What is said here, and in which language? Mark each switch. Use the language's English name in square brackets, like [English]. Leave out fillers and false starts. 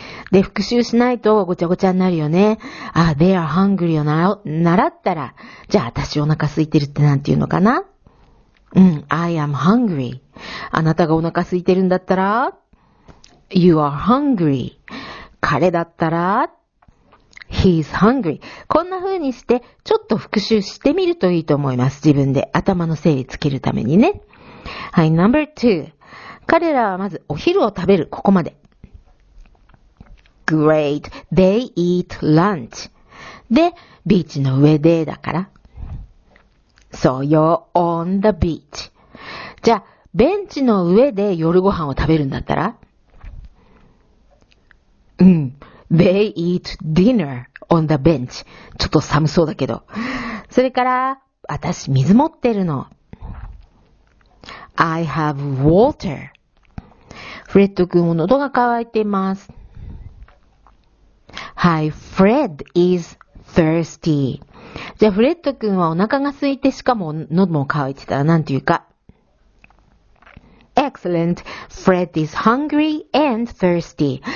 [Japanese] で、復習しないとごちゃごちゃになるよね。あ、 [English] they are hungry [Japanese] を習ったら、じゃあ私お腹空いてるってなんて言うのかな？ [English] I am hungry。 [Japanese] あなたがお腹空いてるんだったら、 [English] you are hungry。 [Japanese] 彼だったら、 [English] he is hungry。 [Japanese] こんな風にして、ちょっと復習してみるといいと思います。自分で頭の整理つけるためにね。はい、 [English] number two。 [Japanese] 彼らはまずお昼を食べる。ここまで。 [English] Great. They eat lunch. [Japanese] で、ビーチの上でだから。 [English] So you're on the beach. [Japanese] じゃあ、ベンチの上で夜ご飯を食べるんだったら？ [English] They eat dinner on the bench. [Japanese] ちょっと寒そうだけど。それから、私水持ってるの。 [English] I have water. [Japanese] フレッド君も喉が渇いています。 [English] Hi, Fred is thirsty. [Japanese] じゃあ、フレッド君はお腹が空いてしかも喉も渇いてたらなんていうか。 [English] Excellent. Fred is hungry and thirsty.